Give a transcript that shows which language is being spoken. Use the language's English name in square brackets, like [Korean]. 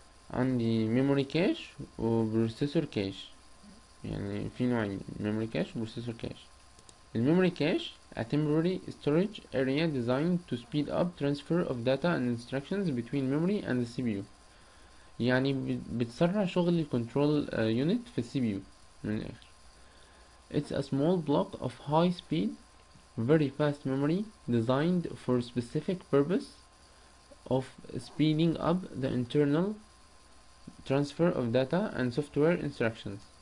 [Arabic] عندي memory cache و processor cache. يعني في نوعين memory cache و processor cache. [English] The memory cache a temporary storage area designed to speed up transfer of data and instructions between memory and the CPU. [Arabic] يعني بتسرع شغل ال control unit في CPU من الآخر. [English] It's a small block of high speed very fast memory designed for specific purpose of speeding up the internal transfer of data and software instructions.